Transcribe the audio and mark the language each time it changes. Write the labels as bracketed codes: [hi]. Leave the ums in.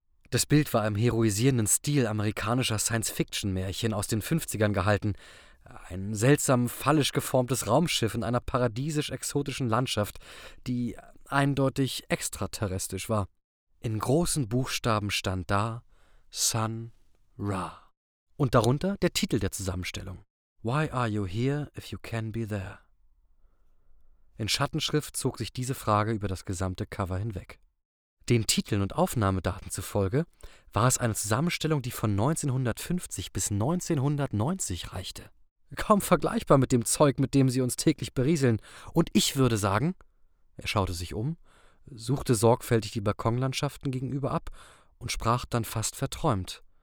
[de] Das Bild war im heroisierenden Stil amerikanischer Science-Fiction-Märchen aus den 50ern gehalten. Ein seltsam fallisch geformtes Raumschiff in einer paradiesisch-exotischen Landschaft, die eindeutig extraterrestrisch war. In großen Buchstaben stand da Sun Ra. Und darunter der Titel der Zusammenstellung. [en] Why are you here if you can be there? [de] In Schattenschrift zog sich diese Frage über das gesamte Cover hinweg. Den Titeln und Aufnahmedaten zufolge war es eine Zusammenstellung, die von 1950 bis 1990 reichte. Kaum vergleichbar mit dem Zeug, mit dem sie uns täglich berieseln. Und ich würde sagen, er schaute sich um, suchte sorgfältig die Balkonlandschaften gegenüber ab und sprach dann fast verträumt.